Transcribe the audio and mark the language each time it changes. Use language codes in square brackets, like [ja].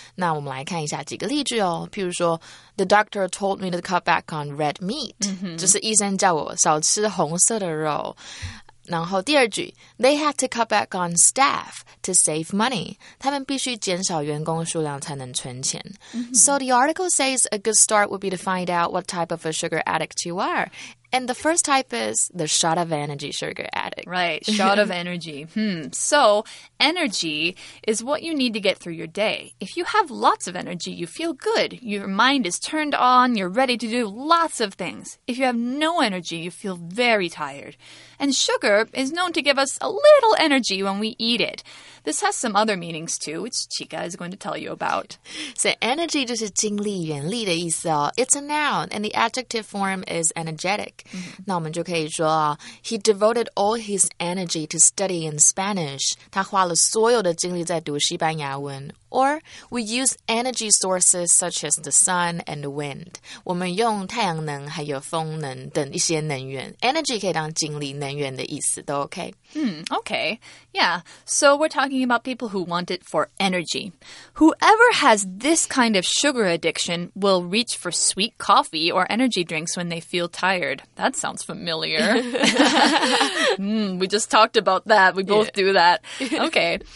[zh] 那我们来看一下几个例句哦。 [en] 譬如说 ,the doctor told me to cut back on red meat,、 mm-hmm. [zh] 就是医生叫我少吃红色的肉。 [en] 然后第二句 ,they had to cut back on staff to save money. [zh] 他们必须减少员工数量才能存钱。 Mm-hmm. [en] So the article says a good start would be to find out what type of a sugar addict you are. And the first type is the shot of energy sugar addict. Right, shot of energy. So, energy is what you need to get through your day. If you have lots of energy, you feel good. Your mind is turned on, you're ready to do lots of things. If you have no energy, you feel very tired. And sugar is known to give us a little energy when we eat it. This has some other meanings too, which Chica is going to tell you about. [zh] So energy 就是精力、原力的意思哦。 [en] It's a noun, and the adjective form is energetic.、 Mm-hmm. 那我们就可以说啊，He devoted all his energy to studying Spanish. [zh] 他花了所有的精力在读西班牙文。 [en] Or we use energy sources such as the sun and the wind. [zh] 我们用太阳能还有风能等一些能源。 Energy 可以当精力、能源的意思都 OK. [en] Okay. Yeah. So we're talking about people who want it for energy. Whoever has this kind of sugar addiction will reach for sweet coffee or energy drinks when they feel tired. That sounds familiar. we just talked about that. We both do that. Okay.